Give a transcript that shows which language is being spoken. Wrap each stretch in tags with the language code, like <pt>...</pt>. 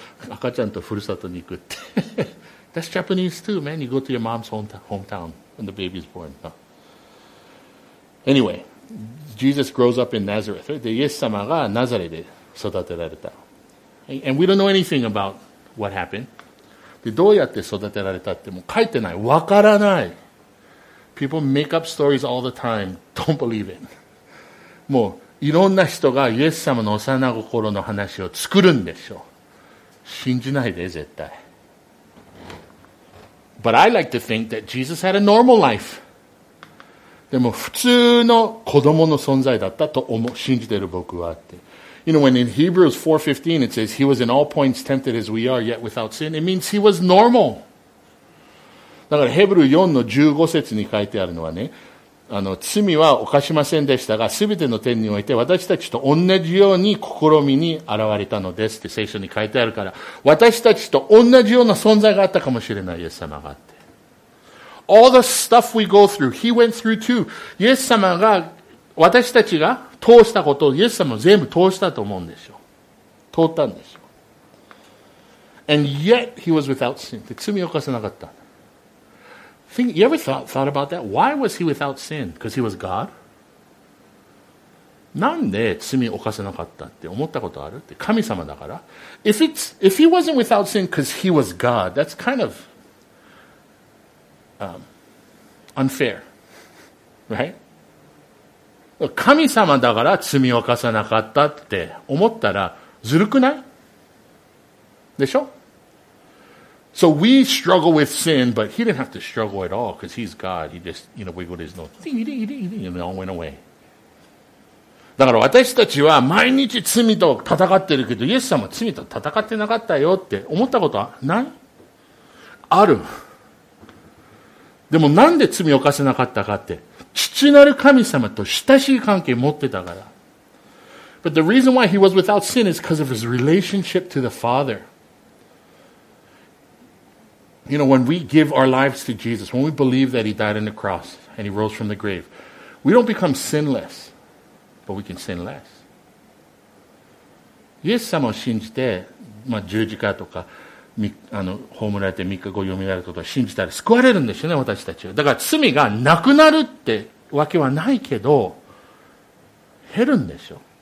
<ja>赤ちゃんとふるさとに行くって。</ja> <en>That's Japanese too, man. You go to your mom's hometown when the baby's born.、No. Anyway, Jesus grows up in Nazareth.</en> <ja>で、イエス様がナザレで育てられた。</ja> <en>And we don't know anything about what happened.</en> <ja>で、どうやって育てられたっても書いてない。わからない。</ja> <en>People make up stories all the time. Don't believe it.</en> <ja>もういろんな人がイエス様の幼心の話を作るんでしょう。信じないで、絶対。</ja> <en>But I like to think that Jesus had a normal life.</en> <ja>でも普通の子供の存在だったと思う、信じている僕はって。</ja> <en>You know, when in Hebrews 4:15 it says, He was in all points tempted as we are, yet without sin, it means He was normal.</en> <ja>だからヘブル4の15節に書いてあるのはね、罪は犯しませんでしたが、すべての点において私たちと同じように試みに現れたのですって聖書に書いてあるから、私たちと同じような存在があったかもしれない、イエス様がって。</ja> <en>All the stuff we go through, He went through too.</en> <ja>イエス様が、私たちが通したことをイエス様は全部通したと思うんですよ。通ったんですよ。</ja> <en>And yet He was without sin.</en> <ja>罪を犯せなかった。</ja> <en>Think, you ever thought about that? Why was he without sin? Because he was God?</en> <ja>なんで罪を犯せなかったって思ったことあるって神様だから。</ja> <en>If he wasn't without sin because he was God, that's kind of, unfair. Right?</en> <ja>神様だから罪を犯せなかったって思ったらずるくない？でしょ？</ja> <en>So we struggle with sin, but he didn't have to struggle at all because he's God. He just, you know, wiggled his nose. He didn't, and it all went away.</en> <ja>だから私たちは毎日罪と戦ってるけど、イエス様は罪と戦ってなかったよって思ったことはない？ある。でもなんで罪を犯せなかったかって、父なる神様と親しい関係持ってたから。</ja> <en>But the reason why he was without sin is because of his relationship to the Father. You know, when we give our lives to Jesus, when we believe that He died on the cross and He rose from the grave, we don't become sinless, but we can sin less.</en> <ja>イエス様を信じて、まあ、十字架とか、葬られて3日後蘇ることを信じたら救われるんですよね、私たちは。だから罪がなくなるってわけはないけど、減るんでしょ。</ja>